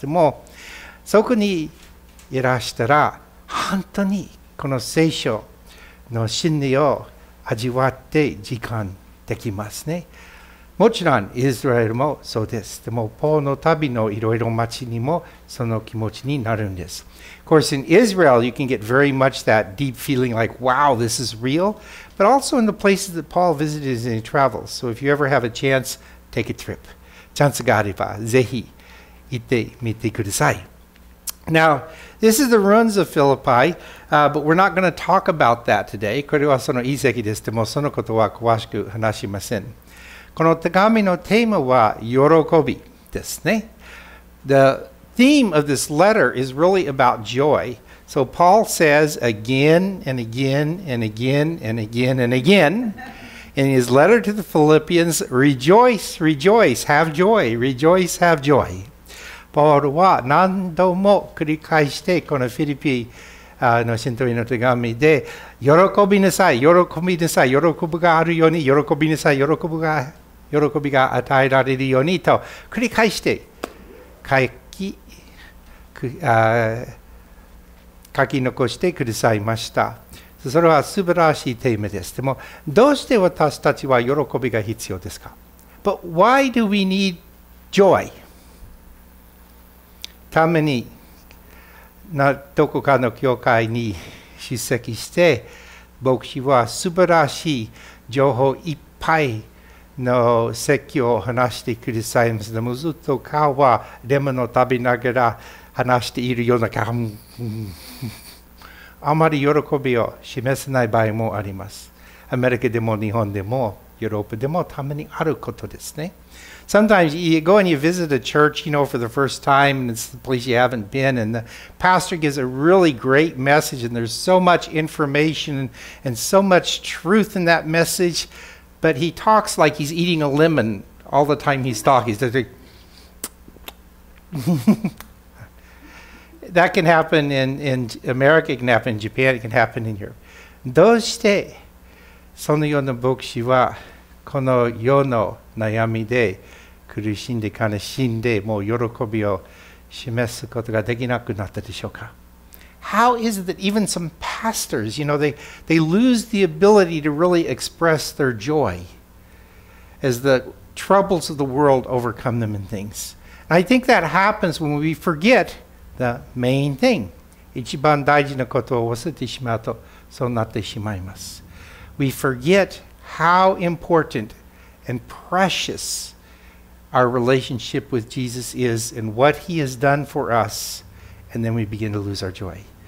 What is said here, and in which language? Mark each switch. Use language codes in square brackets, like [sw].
[ja] でも、そこにいらしたら、本当にこの聖書の真理を味わって実感できますね。もちろんイスラエルもそうです。でも、ポーの旅のいろいろ町にもその気持ちになるんです。 [en] Of course, in Israel, you can get very much that deep feeling like, wow, this is real. But also in the places that Paul visited as he travels. So if you ever have a chance, take a trip. [ja] チャンスがあれば、ぜひ行ってみてください。 [en] Now, this is the ruins of Philippi, but we're not going to talk about that today. [ja] これはその遺跡です。でも、そのことは詳しく話しません。この手紙のテーマは喜びですね。 [en] The theme of this letter is really about joy. So Paul says again and again and again and again and again in his letter to the Philippians, rejoice, rejoice, have joy, rejoice, have joy. [ja] パウロは何度も繰り返してこのフィリピの信徒への手紙で喜びなさい、喜びなさい、喜ぶがあるように喜びなさい、喜ぶが喜びが与えられるようにと繰り返して書き残してくださいました。それは素晴らしいテーマです。でも、どうして私たちは喜びが必要ですか？ [en] But why do we need joy? [ja] ためにどこかの教会に出席して、牧師は素晴らしい情報いっぱいの説教を話してくださいます。でもずっと顔はレモンを食べながら話しているような感あまり喜びを示せない場合もあります。アメリカでも日本でもヨーロッパでもたまにあることですね。 [en] Sometimes you go and you visit a church, you know, for the first time, and it's the place you haven't been, and the pastor gives a really great message, and there's so much information and so much truth in that message. But he talks like he's eating a lemon all the time he's talking. He's like, that can happen in America, it can happen in Japan, it can happen in Europe. [ja] どうしてそのような牧師はこの世の悩みで苦しんで悲しんでもう喜びを示すことができなくなったでしょうか？ [en] How is it that even some pastors, you know, they lose the ability to really express their joy as the troubles of the world overcome them in things? And I think that happens when we forget the main thing. [ja] 一番大事なことを忘れてしまうと、そうなってしまいます。 [en] We forget how important and precious our relationship with Jesus is and what he has done for us, and then we begin to lose our joy.